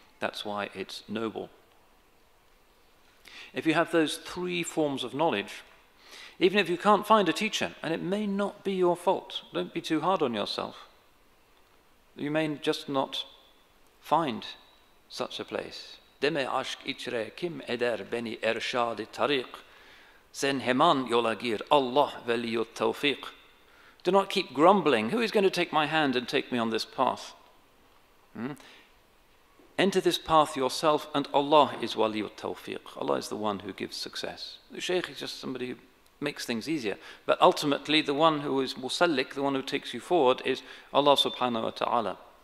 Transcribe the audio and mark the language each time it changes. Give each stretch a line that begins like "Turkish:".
English: That's why it's noble. If you have those three forms of knowledge, even if you can't find a teacher, and it may not be your fault, don't be too hard on yourself. You may just not find such a place.
Turkish: Deme aşk içre kim eder beni erşad-ı tariq, sen hemen yola gir, Allah veliyut tevfik.
English: Do not keep grumbling. Who is going to take my hand and take me on this path? Enter this path yourself, and Allah is waliyu tawfiq. Allah is the one who gives success. The sheikh is just somebody who makes things easier. But ultimately, the one who is musallik, the one who takes you forward, is Allah subhanahu wa ta'ala.